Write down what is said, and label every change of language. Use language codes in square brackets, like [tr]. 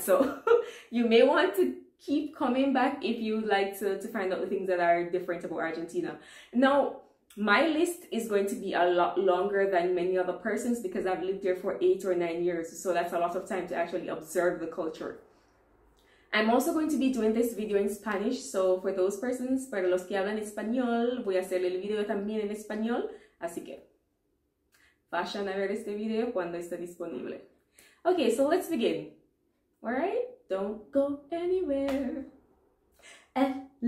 [en] So you may want to keep coming back if you'd like to find out the things that are different about Argentina. Now, my list is going to be a lot longer than many other persons because I've lived there for 8 or 9 years. So that's a lot of time to actually observe the culture. I'm also going to be doing this video in Spanish. So for those persons, [es] para los que hablan español, voy a hacer el video también en español. Así que, vayan a ver este video cuando esté disponible. [en] Okay, so let's begin. All right, don't go anywhere. Unless.